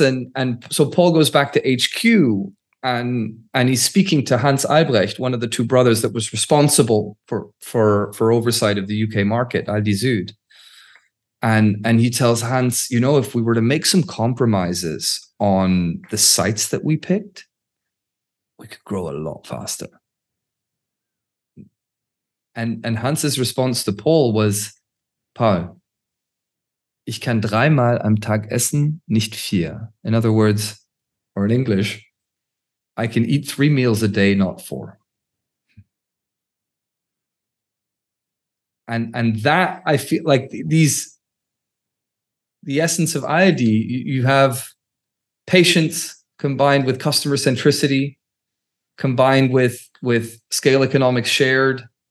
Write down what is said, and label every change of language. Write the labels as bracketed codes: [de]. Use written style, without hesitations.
[en] And so Paul goes back to HQ, and he's speaking to Hans Albrecht, one of the two brothers that was responsible for oversight of the UK market, Aldi Süd. And he tells Hans, you know, if we were to make some compromises on the sites that we picked, we could grow a lot faster. And Hans's response to Paul was, Paul, [de] ich kann dreimal am Tag essen, nicht vier. [en] In other words, or in English, I can eat three meals a day, not four. And that, I feel like these, the essence of Aldi, you have patience combined with customer centricity, combined with scale economics shared,